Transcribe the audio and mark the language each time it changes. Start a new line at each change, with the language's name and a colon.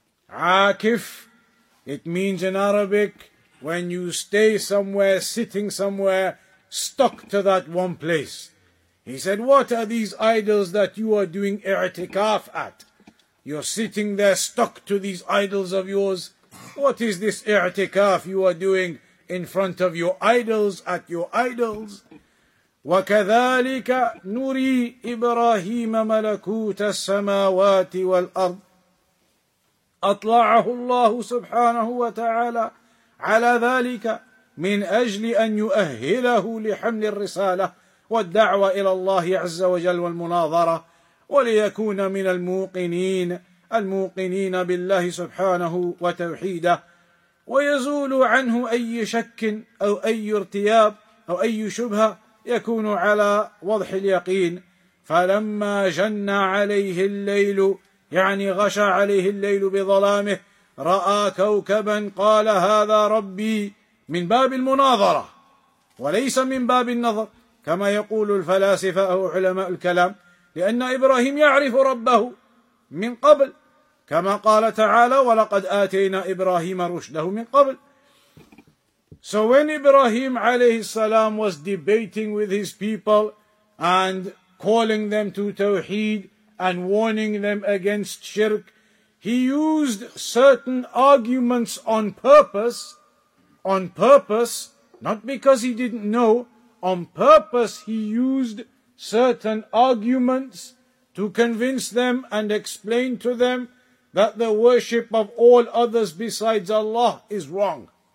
English: Akif, it means in Arabic, when you stay somewhere, sitting somewhere, stuck to that one place. He said, what are these idols that you are doing i'tikaf at? You're sitting there stuck to these idols of yours. What is this i'tikaf you are doing in front of your idols, at your idols.
Arabic: وَكَذَٰلِكَ نُرِي إِبْرَاهِيمَ مَلَكُوتَ السَّمَاوَاتِ وَالْأَرْضِ أطلعه الله سبحانه وتعالى على ذلك من أجل أن يؤهله لحمل الرسالة والدعوة إلى الله عز وجل والمناظرة وليكون من الموقنين بالله سبحانه وتوحيده ويزول عنه أي شك أو أي ارتياب أو أي شبهة يكون على وضح اليقين. فلما جن عليه الليل يعني غشى عليه الليل بظلامه رأى كوكبا قال هذا ربي, من باب المناظرة وليس من باب النظر كما يقول الفلاسفة أو علماء الكلام, لأن إبراهيم يعرف ربه من قبل كما قال تعالى ولقد آتينا إبراهيم رشده من قبل.
English: So when Ibrahim عليه السلام was debating with his people and calling them to Tawheed and warning them against shirk, he used certain arguments on purpose, not because he didn't know, on purpose he used certain arguments to convince them and explain to them that the worship of all others besides Allah is wrong.